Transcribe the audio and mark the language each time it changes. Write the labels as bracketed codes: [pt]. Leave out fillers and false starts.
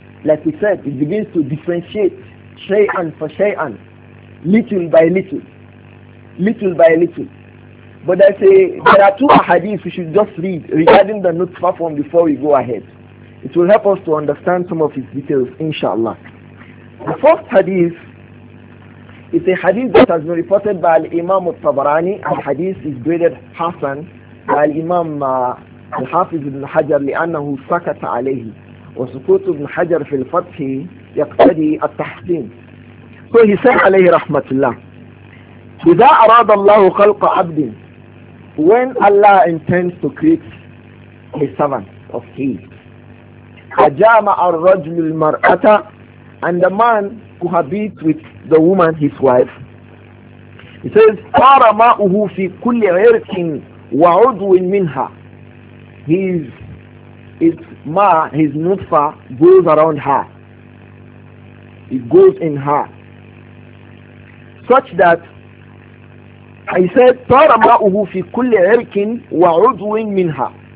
[en] Like we said, it begins to differentiate shay'an for shay'an, little by little. little by little. But I say there are two ahadiths we should just read regarding the nutfa form before we go ahead. It will help us to understand some of its details, inshallah. The first hadith is a hadith that has been reported by Imam al-Tabarani. Al-hadith is graded Hassan by Imam al-Hafiz ibn Hajar [ar] لأنه سكت عليه وسكوت ابن حجر في الفتح يقتدي التحسين. [en] So he said عليه رحمة الله [ar] إذا أراد الله خلق عبد, [en] when Allah intends to create a servant of his, [ar] أجامع الرجل المرأة, [en] and the man cohabits with the woman, his wife. He says, [ar] صار ماؤه في كل عرق وعضو منها. [en] His ma, his nutfa, goes around her. It goes in her. Such that, he said, [ar] صار ماؤه في كل عرق وعضو منها.